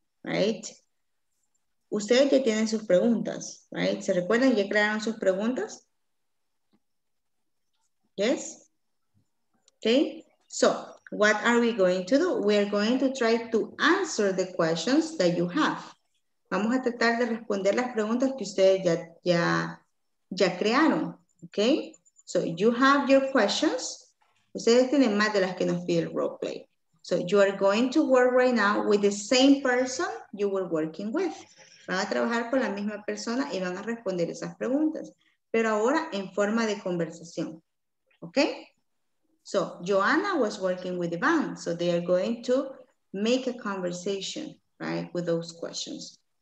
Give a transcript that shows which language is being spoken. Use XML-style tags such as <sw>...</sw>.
<es>Right. Ustedes ya tienen sus preguntas. Right. ¿Se recuerdan? ¿Ya crearon sus preguntas?</es> <en>Yes. Okay. So, what are we going to do? We are going to try to answer the questions that you have.</en> <es>Vamos a tratar de responder las preguntas que ustedes ya crearon, ¿ok?</es> <en>So, you have your questions.</en> <es>Ustedes tienen más de las que nos pide el roleplay.</es> <en>So, you are going to work right now with the same person you were working with.</en> <es>Van a trabajar con la misma persona y van a responder esas preguntas. Pero ahora en forma de conversación, ¿ok?</es> <en>So, Joanna was working with Ivan. So, they are going to make a conversation, right, with those questions.</en>